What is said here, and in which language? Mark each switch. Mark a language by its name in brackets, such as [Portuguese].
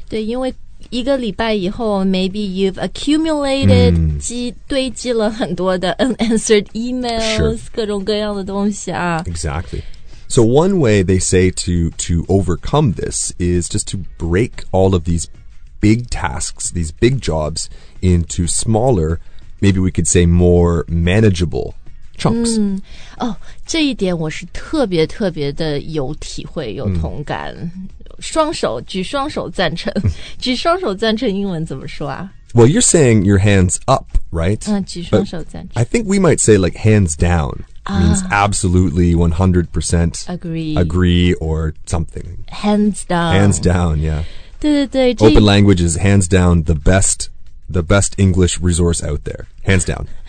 [Chinese] 对因为一个礼拜以后 [English] maybe you've accumulated、 [Chinese] 堆积了很多的 [English] unanswered emails、 [Chinese] 各种各样的东西啊 [English] Exactly. So one way they say to overcome this is just to break all of these big tasks, these big jobs into smaller, maybe we could say more manageable chunks.、 [Chinese] 哦，这一点我是特别特别的有体会有同感、双手举双手赞成举双手赞成英文怎么说啊 [English] Well, you're saying your hands up, right?、 [Chinese] 举双手赞成 [English] I think we might say like hands down、means absolutely 100% agree or something Hands down, yeah [Chinese] 对对对 [English] Open language is hands down the best English resource out there Hands down